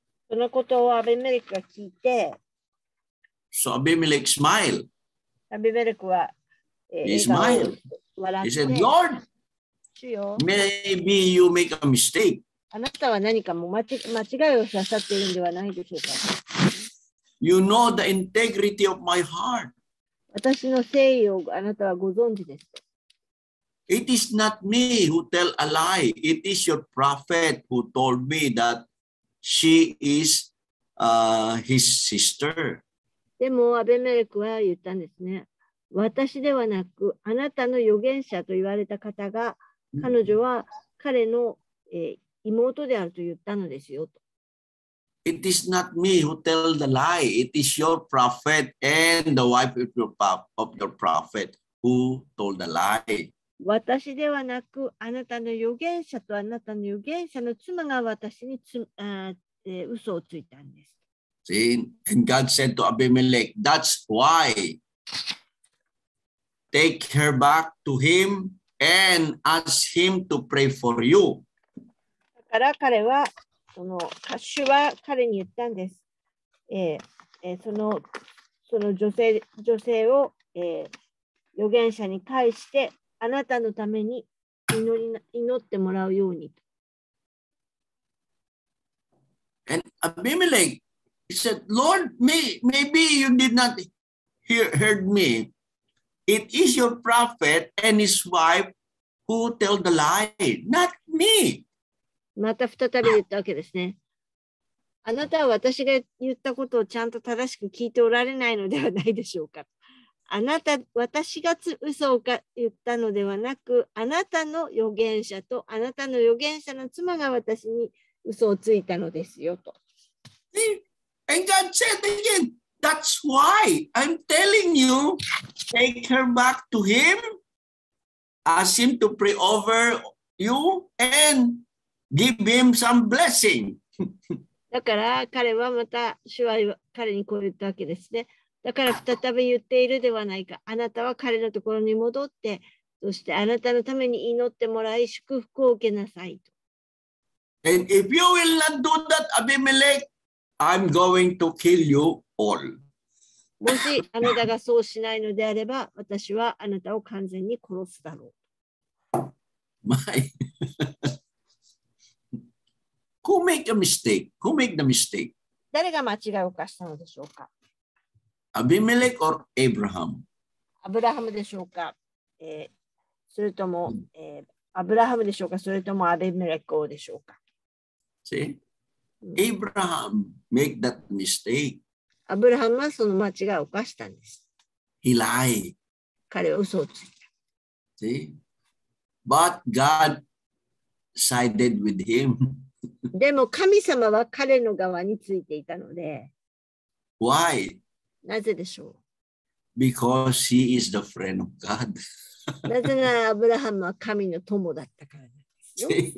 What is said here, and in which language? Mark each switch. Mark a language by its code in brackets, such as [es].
[ja] そのことをアビメレクが聞いて、 [en] So Abimelech smiled. [ja] アビメレクは、 [en] He smiled. He said, Lord, [ja] 主よ、 [en] maybe you make a mistake. [ja] あなたは何か間違いをなさっているんではないでしょうか。 [en] You know the integrity of my heart. [ja] 私の誠意をあなたはご存知です。 [en] It is not me who tell a lie. It is your prophet who told me that she is his sister. [ja] でもアベメレクは言ったんですね。私ではなくあなたの預言者と言われた方が彼女は彼の、妹であると言ったのですよと。 [en] It is not me who tell the lie. It is your prophet and the wife of your prophet who told the lie. [ja] 私ではなく、あなたの預言者とあなたの預言者の妻が私に嘘をついたんです。 [en] See? And God said to Abimelech, that's why. Take her back to him and ask him to pray for you. [ja] だから彼は、その主は彼に言ったんです。その女性を、預言者に返して、あなたのために祈ってもらうようにと。 [en] And Abimelech said, Lord, maybe you did not heard me. It is your prophet and his wife who tell the lie, not me. [ja] また再び言ったわけですね。あなたは私が言ったことをちゃんと正しく聞いておられないのではないでしょうか。あなた私が嘘を言ったのではなく、あなたの預言者とあなたの預言者の妻が私に嘘をついたのですよと。 [en] And God said again, that's why I'm telling you, take her back to him, ask him to pray over you, and give him some blessing. [ja] だから彼はまた主は彼にこう言ったわけですね。だから再び言っているではないか。あなたは彼のところに戻って、そしてあなたのために祈ってもらい、祝福を受けなさいと。 [en] And if you will not do that, Abimelech, I'm going to kill you all. [ja] もしあなたがそうしないのであれば、私はあなたを完全に殺すだろう。 [en] My. Who made a mistake? Who made the mistake? [ja] 誰が間違いを犯したのでしょうか。 [en] Abimelech or Abraham? [ja] Abraham でしょうか、それとも、Abraham でしょうか、それともAbimelech でしょうか。 [en] See? Abraham make that mistake. [ja] Abraham はその間違いを犯したんです。 [en] He lied. [ja] 彼は嘘をついた。 [en] See? But God sided with him. [ja] でも神様は彼の側についていたので。 [en] Why? [ja] なぜでしょう? [en] Because he is the friend of God. [ja] なぜならアブラハムは神の友だったからですよ。